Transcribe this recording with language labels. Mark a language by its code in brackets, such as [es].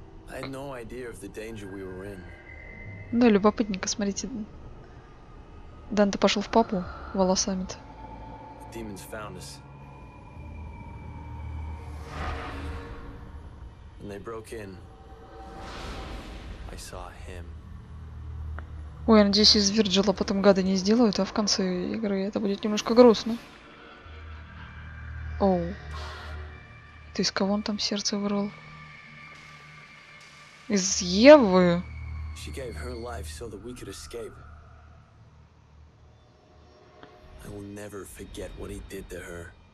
[en] I had no idea of the danger we were in. [ru] Да, любопытненько, смотрите. Данте пошел в папу волосами-то. [en] The demons found us. And they broke in. I saw him. [ru] Ой, надеюсь, из Вирджила потом гады не сделают, а в конце игры это будет немножко грустно. Оу. Ты из кого он там сердце вырвал? Из Евы? [en] She gave her life so that we could escape. I will never forget what he did to her.